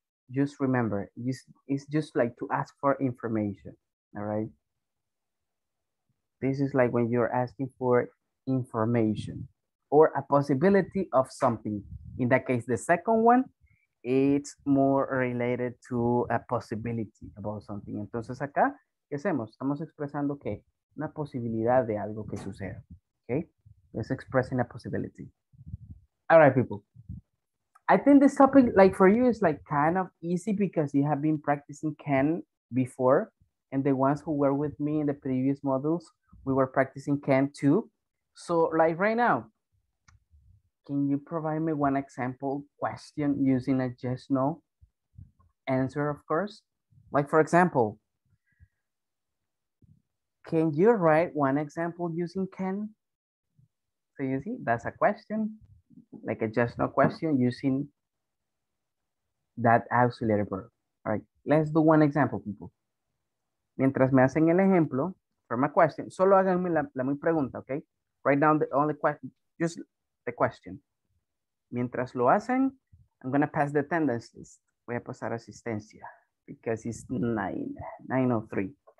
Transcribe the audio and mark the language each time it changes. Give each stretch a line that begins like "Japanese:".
English: Just remember, it's just like to ask for information, all right? This is like when you're asking for information or a possibility of something. In that case, the second one, it's more related to a possibility about something.
Spanish: Entonces acá, ¿qué hacemos? Estamos expresando que una posibilidad de algo que suceda, okay?
English: Let's express in a possibility. All right, people. I think this topic, like for you, is like kind of easy because you have been practicing can before, and the ones who were with me in the previous modules, we were practicing can too. So like right now, can you provide me one example question using a yes, no answer, of course? Like for example, can you write one example using can? So you see, that's a question. Like a just no question using that auxiliary verb. All right, let's do one example, people.
Spanish: Mientras me hacen el ejemplo,
English: from a question,
Spanish: solo háganme la mi pregunta, okay?
English: Write down the only question, just the question.
Spanish: Mientras lo hacen,
English: I'm gonna pass the attendance list.
Spanish: Voy a pasar asistencia,
English: because it's 9:03.